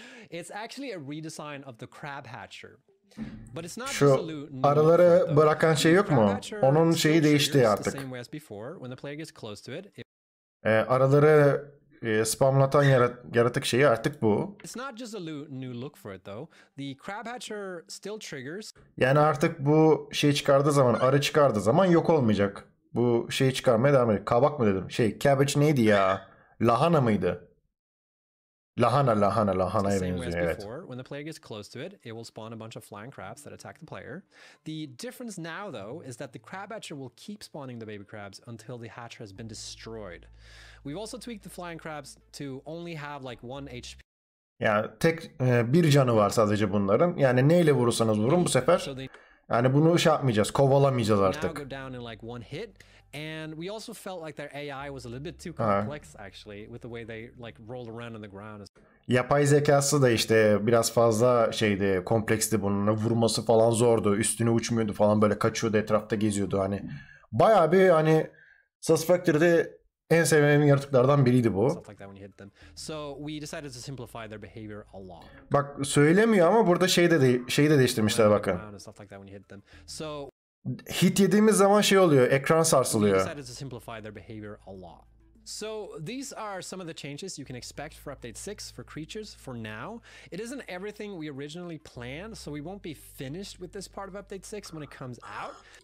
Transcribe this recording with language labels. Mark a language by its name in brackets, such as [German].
[English] It's actually a redesign of the crab hatcher. But it's not just a new plant. [Turkish] Şu arıları bırakan şey yok mu? Onun şeyi değişti artık. [English] The same way as before, when the player gets close to it. [Turkish] Arıları spamlatan yaratık şeyi artık bu. [English] It's not just a new look for it though. The crab hatcher still triggers. [Turkish] Yani artık bu şey çıkardığı zaman, arı çıkardığı zaman yok olmayacak. Bu şeyi çıkarmaya devam edecek. Kabak mı dedim? Şey, cabbage neydi ya? Lahana mıydı? Lahana'ya benziyor, evet. [English] When the player gets close to it, it will spawn a bunch of flying crabs that attack the player. The difference now though is that the crab hatcher will keep spawning the baby crabs until the hatcher has been destroyed. We've also tweaked the flying crabs to only have like 1 HP. [Turkish] Yani tek bir canı var sadece bunların. Yani neyle vurursanız vurun bu sefer. Yani bunu şey yapmayacağız, kovalamayacağız artık. [English] Now go down in like one hit. And we also felt like their AI was a little bit too complex actually with the way they like rolled around on the ground. [Turkish] Yapay zekası da işte biraz fazla şeydi, kompleksti, bunun vurması falan zordu. Üstüne uçmuyordu falan, böyle kaçıyordu, etrafta geziyordu hani. Bayağı bir hani Satisfactory'de en sevdiğim yaratıklardan biriydi bu. [English] So we decided to simplify their behavior a lot. [Turkish] Bak söylemiyor ama burada şeyi de değiştirmişler bakın. So hit yediğimiz zaman şey oluyor, ekran sarsılıyor. [English] We decided to simplify their behavior a lot. So these are some of the changes you can expect for update 6 for creatures for now. It isn't everything we originally planned, so we won't be finished with this part of update 6 when it comes out.